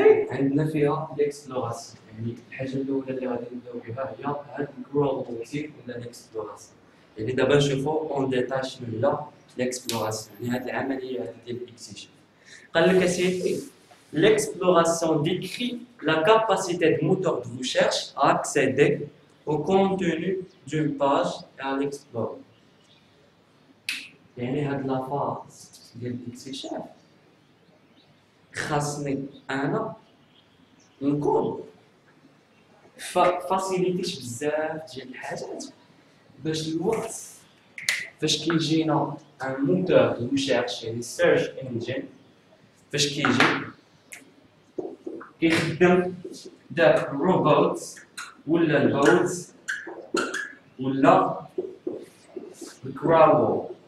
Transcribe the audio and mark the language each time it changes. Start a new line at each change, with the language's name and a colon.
Arabic: عندنا فيها ليكسبلوراس، يعني الحاجه الاولى اللي غادي نبداو بها هي هاد الكولابوراتيف ولا ليكسبلوراس. يعني دابا نشوفو
French: اون ديتاي
Arabic: شنو هي ليكسبلوراس، يعني هاد العمليه هادي ديال الاكتشاف. قال لك اسيدي
French: l'exploration décrit la capacité de moteur de recherche à accéder au contenu d'une page et à l'explorer.
Arabic: يعني هاد لا فاز ديال الاكتشاف خاصني انا نكون فاسيليتيش بزاف ديال الحاجات باش الوقت فاش كيجينا
French: ان موتور دو ريشيرش
Arabic: يعني سيرش انجين فاش كيجي كيخدم داك الروبوت ولا البوت ولا الكراول.